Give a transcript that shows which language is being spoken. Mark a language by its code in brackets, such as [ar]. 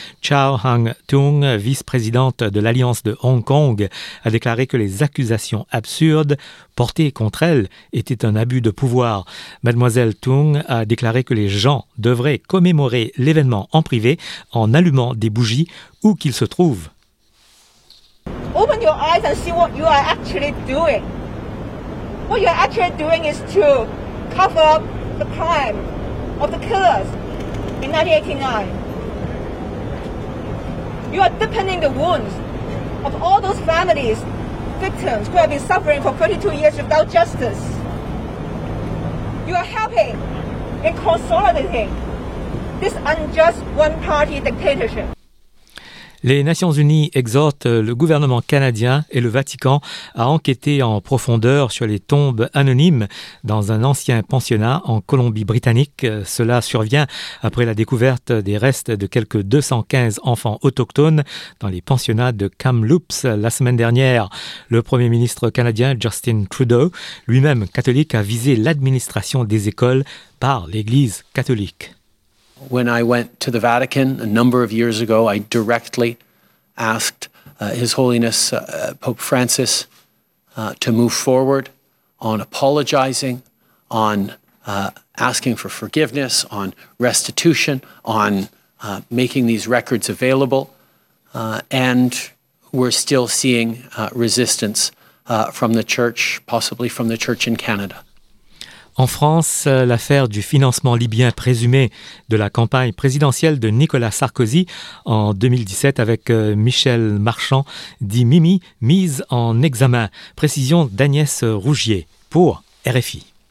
[fr] Chow Hang-tung, vice-présidente de l'Alliance de Hong Kong, a déclaré que les accusations absurdes portées contre elle étaient un abus de pouvoir. Mademoiselle Tung a déclaré que les gens devraient commémorer l'événement en privé en allumant des bougies où qu'il se trouve. [en] Open your eyes and see what you are actually doing. What you are actually doing is to cover up the crime of the killers in 1989. You are deepening the wounds of all those families, victims who have been suffering for 32 years without justice. You are helping in consolidating this unjust one-party dictatorship. [fr] Les Nations Unies exhortent le gouvernement canadien et le Vatican à enquêter en profondeur sur les tombes anonymes dans un ancien pensionnat en Colombie-Britannique. Cela survient après la découverte des restes de quelques 215 enfants autochtones dans les pensionnats de Kamloops la semaine dernière. Le Premier ministre canadien Justin Trudeau, lui-même catholique, a visé l'administration des écoles par l'Église catholique. [en] When I went to the Vatican a number of years ago, I directly asked His Holiness Pope Francis to move forward on apologizing, on asking for forgiveness, on restitution, on making these records available. And we're still seeing resistance from the church, possibly from the church in Canada. [fr] En France, l'affaire du financement libyen présumé de la campagne présidentielle de Nicolas Sarkozy en 2017 avec Michel Marchand, dit Mimi, mise en examen. Précision d'Agnès Rougier pour RFI.